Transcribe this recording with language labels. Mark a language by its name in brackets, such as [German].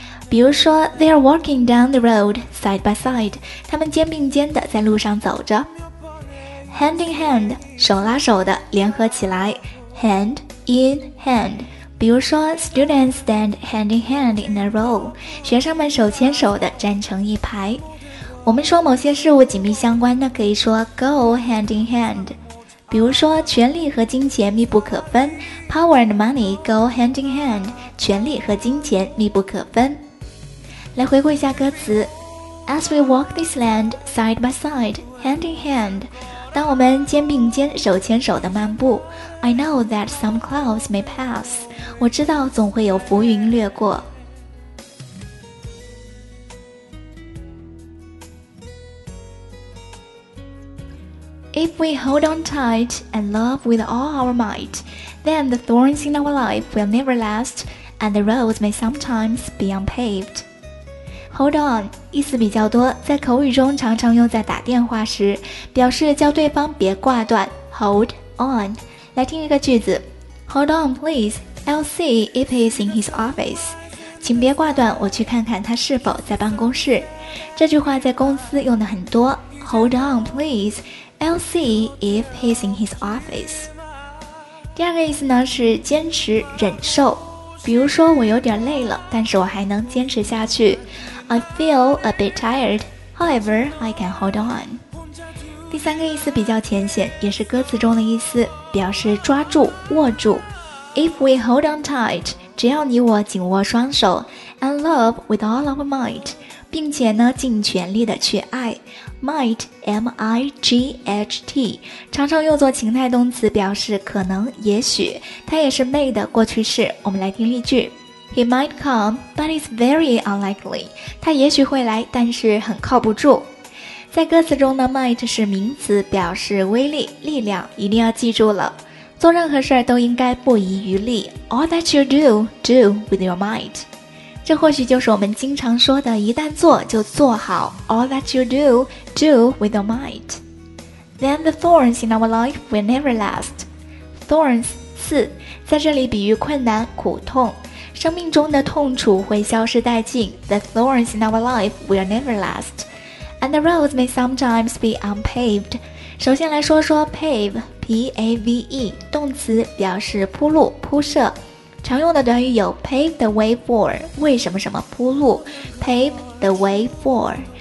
[English] 比如说 they are walking down the road, side by side, [Chinese] 他们肩并肩的在路上走着。 [English] Hand in hand, [Chinese] 手拉手的联合起来 [English] hand in hand. [Chinese] 比如说 [English] students stand hand in hand in a row, [Chinese] 学生们手牵手的站成一排。我们说某些事物紧密相关，那可以说 [English] go hand in hand。 [Chinese] 比如说权力和金钱密不可分 , [English] power and money go hand in hand, [Chinese] 权力和金钱密不可分。 [English] 来回顾一下歌词 ,As we walk this land, side by side, hand in hand, [Chinese] 当我们肩并肩手牵手的漫步 [English] I know that some clouds may pass [Chinese] 我知道总会有浮云掠过 [English] If we hold on tight and love with all our might Then the thorns in our life will never last And the roads may sometimes be unpaved Hold on [Chinese] 意思比较多，在口语中常常用在打电话时，表示叫对方别挂断。 [English] Hold on， [Chinese] 来听一个句子 [English] ：Hold on, please. I'll see if he's in his office. [Chinese] 请别挂断，我去看看他是否在办公室。这句话在公司用的很多。 [English] Hold on, please. I'll see if he's in his office. [Chinese] 第二个意思呢是坚持忍受，比如说我有点累了，但是我还能坚持下去。 [English] I feel a bit tired, however, I can hold on. [Chinese] 第三个意思比较浅显，也是歌词中的意思，表示抓住、握住。 [English] If we hold on tight, [Chinese] 只要你我紧握双手 [English] and love with all our might, [Chinese] 并且呢尽全力的去爱。 Might, M-I-G-H-T, 常常用作情态动词，表示可能、也许。它也是 may 的过去式。我们来听例句。 [English] He might come, but it's very unlikely. [Chinese] 他也许会来，但是很靠不住。在歌词中呢 ,might 是名词，表示威力、力量，一定要记住了。做任何事都应该不遗余力。 [English] All that you do, do with your might. [Chinese] 这或许就是我们经常说的一旦做就做好。 [English] All that you do, do with your might. Then the thorns in our life will never last. [Chinese] Thorns, 刺，在这里比喻困难、苦痛。生命中的痛楚会消失殆尽 [English] The thorns in our life will never last And the roads may sometimes be unpaved [Chinese] 首先来说说 [English] pave P-A-V-E [Chinese] 动词表示铺路铺设常用的短语有 [English] pave the way for [Chinese] 为什么什么铺路 [English] pave the way for